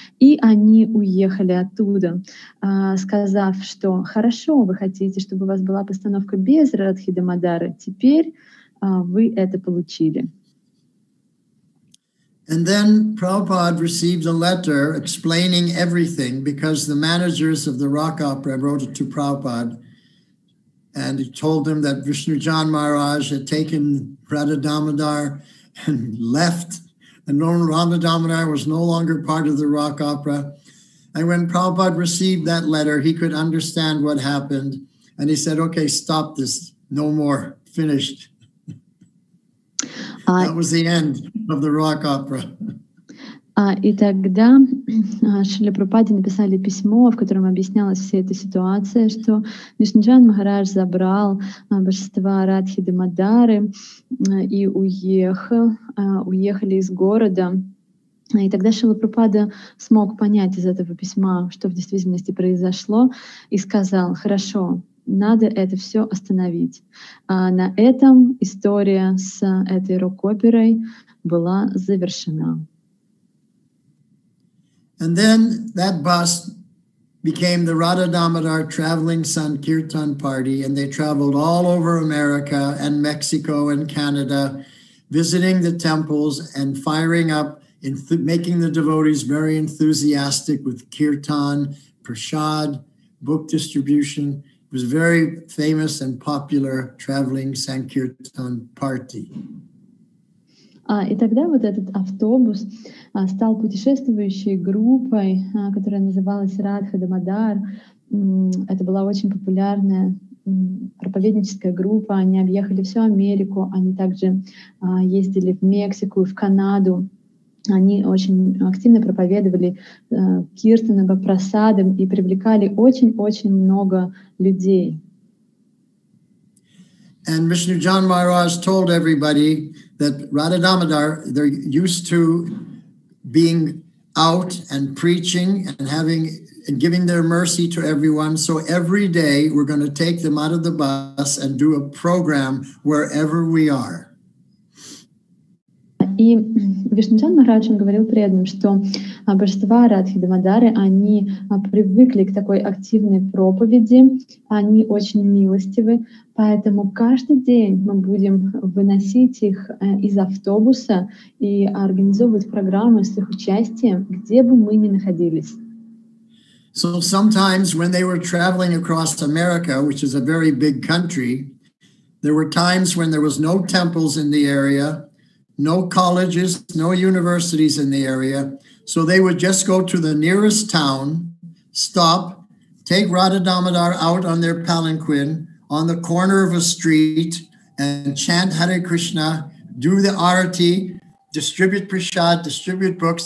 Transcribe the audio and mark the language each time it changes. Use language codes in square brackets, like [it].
[ru] И они уехали оттуда, сказав, что «хорошо, вы хотите, чтобы у вас была постановка без Радхи Дамодара, теперь вы это получили». [en] And then Prabhupada received a letter explaining everything because the managers of the rock opera wrote it to Prabhupada and he told them that Vishnujan Maharaj had taken Radha Damodar and left and Radha Damodar was no longer part of the rock opera. And when Prabhupada received that letter, he could understand what happened and he said, okay, stop this, no more, finished. That was the end of the rock opera. [ru] И тогда Шрила Прабхупаде написали письмо, в котором объяснялась вся эта ситуация, что Вишнуджан Махарадж забрал божества Радхи Дамодары и уехал, уехали из города. И тогда Шрила Прабхупада смог понять из этого письма, что в действительности произошло, и сказал: «Хорошо, надо это все остановить». А на этом история с этой рок-оперой была завершена. [en] And then that bus became the Radha Damodar traveling Sankirtan party, and they traveled all over America and Mexico and Canada, visiting the temples and firing up, making the devotees very enthusiastic with kirtan, prasad, book distribution. It was a very famous and popular traveling Sankirtan party. [ru] И тогда вот этот автобус стал путешествующей группой, которая называлась Радха Дамодар. Это была очень популярная проповедническая группа. Они объехали всю Америку, они также ездили в Мексику и в Канаду. Они очень активно проповедовали киртаны, прасады и привлекали очень-очень много людей. [en] And Vishnujan Maharaj told everybody that Radha Damodar, they're used to being out and preaching and having and giving their mercy to everyone. So every day we're going to take them out of the bus and do a program wherever we are. [ru] И Вишнуджан Махарадж говорил преданным, что божества Радхи Дамодары, они привыкли к такой активной проповеди, они очень милостивы, поэтому каждый день мы будем выносить их из автобуса и организовывать программы с их участием, где бы мы ни находились. [en] So sometimes when they were traveling across America, which is a very big country, there were times when there was no temples in the area, no colleges, no universities in the area. So they would just go to the nearest town, stop, take Radha Damodar out on their palanquin on the corner of a street and chant Hare Krishna, do the arati, distribute prasad, distribute books.